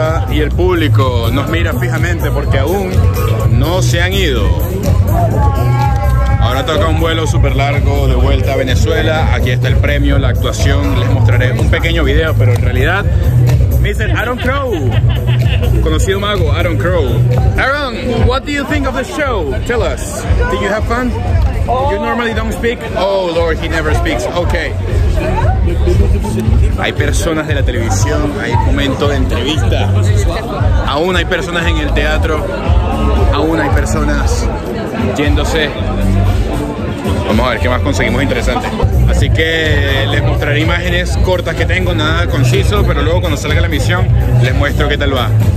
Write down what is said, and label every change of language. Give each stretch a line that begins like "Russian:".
Spanish: Y el público nos mira fijamente porque aún no se han ido. Ahora toca un vuelo súper largo de vuelta a Venezuela. Aquí está el premio, la actuación. Les mostraré un pequeño video, pero en realidad, Mr. Aaron Crow, conocido mago Aaron Crow.
English: Aaron, what do you think of the show? Tell us. Did you have fun? You normally don't speak? Oh Lord, he never speaks. Okay.
Spanish: Hay personas de la televisión, hay momento de entrevista. Aún hay personas en el teatro. Aún hay personas yéndose. Vamos a ver qué más conseguimos interesante. Así que les mostraré imágenes cortas que tengo, nada conciso, pero luego cuando salga la emisión les muestro qué tal va.